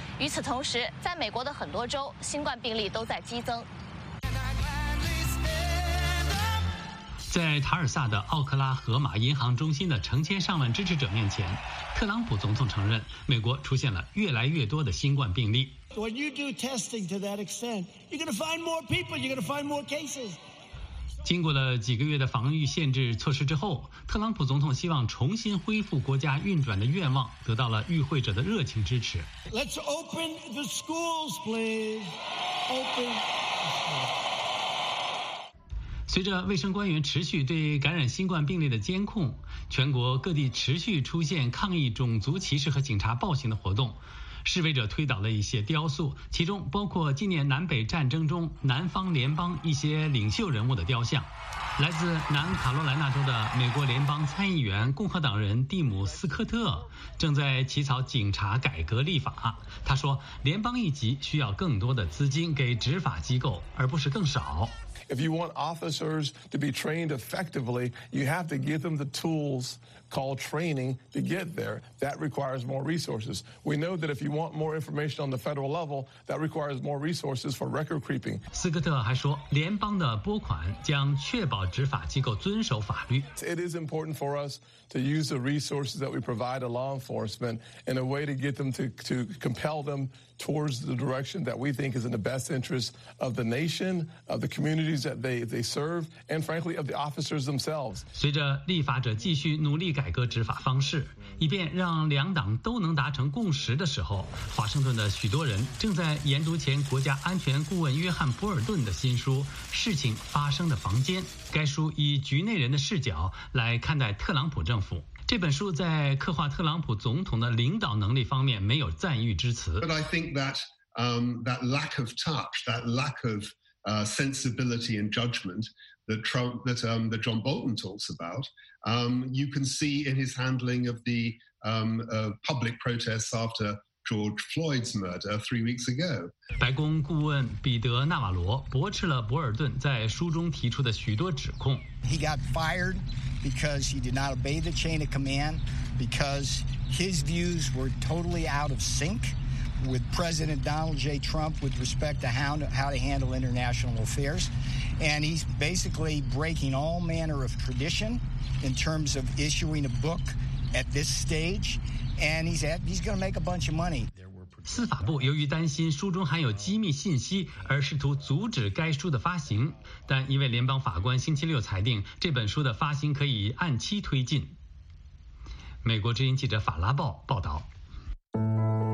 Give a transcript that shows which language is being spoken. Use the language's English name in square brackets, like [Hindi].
[Chinese] 与此同时，在美国的很多州，新冠病例都在激增。在塔尔萨的奥克拉荷马银行中心的成千上万支持者面前，特朗普总统承认，美国出现了越来越多的新冠病例。 [English] When you do testing to that extent, you're going to find more people. You're going to find more cases. [Chinese] 经过了几个月的防御限制措施之后，特朗普总统希望重新恢复国家运转的愿望得到了与会者的热情支持。 [English] Let's open the schools, please. Open. [Chinese] 随着卫生官员持续对感染新冠病例的监控，全国各地持续出现抗议种族歧视和警察暴行的活动。示威者推倒了一些雕塑，其中包括纪念南北战争中南方联邦一些领袖人物的雕像。来自南卡罗来纳州的美国联邦参议员共和党人蒂姆斯科特正在起草警察改革立法，他说联邦一级需要更多的资金给执法机构，而不是更少。 [English] If you want officers to be trained effectively, you have to give them the tools called training to get there. That requires more resources. We know that if you want more information on the federal level, that requires more resources for record keeping. [Chinese] 斯科特还说，联邦的拨款将确保执法机构遵守法律。 [English] It is important for us to use the resources that we provide to law enforcement in a way to get them to compel them towards the direction that we think is in the best interest of the nation, of the communities that they serve, and frankly, of the officers themselves. [Chinese] 随着立法者继续努力改革执法方式，以便让两党都能达成共识的时候，华盛顿的许多人正在研读前国家安全顾问约翰·博尔顿的新书《事情发生的房间》。该书以局内人的视角来看待特朗普政府。这本书在刻画特朗普总统的领导能力方面没有赞誉之词。 [English] But I think that, that lack of touch, that lack of, sensibility and judgment that Trump, that, that John Bolton talks about, you can see in his handling of the, public protests after George Floyd's murder 3 weeks ago. [Chinese] 白宫顾问彼得·纳瓦罗驳斥了博尔顿在书中提出的许多指控。 [English] He got fired. Because he did not obey the chain of command, because his views were totally out of sync with President Donald J. Trump with respect to how to handle international affairs. And he's basically breaking all manner of tradition in terms of issuing a book at this stage. And he's going to make a bunch of money. [Chinese] 司法部由于担心书中含有机密信息而试图阻止该书的发行，但一位联邦法官星期六裁定这本书的发行可以按期推进。美国之音记者法拉报报道。